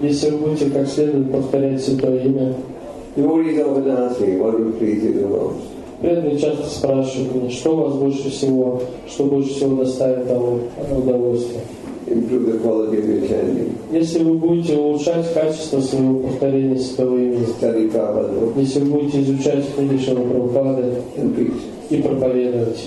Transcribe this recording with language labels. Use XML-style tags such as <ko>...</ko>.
<ru>Если вы будете как следует повторять святое имя.</ru> <en>Devotees often ask me, what would please you the most?</en> <ru>Преданные часто спрашивают меня, что больше всего доставит вам удовольствие.</ru> <en>Improve the quality of your chanting.</en> <ru>Если вы будете улучшать качество своего повторения святого имени,</ru> <en>study Prabhupada.</en> <ru>Если вы будете изучать книги Шрилы Прабхупады и проповедовать.</ru>